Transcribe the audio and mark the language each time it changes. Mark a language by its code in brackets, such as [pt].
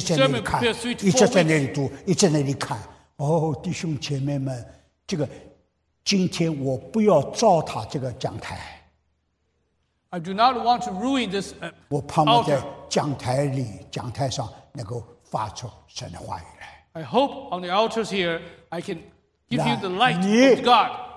[en] sermon prepare 3 to 4 [zh] 一直在那里看，哦，弟兄姐妹们，这个今天我不要糟蹋这个讲台。 [en] I do not want to ruin this. [zh] 我盼望在讲台里，讲台上能够发出神的话语来。 [en] I hope on the altars here, I can give you the light of God.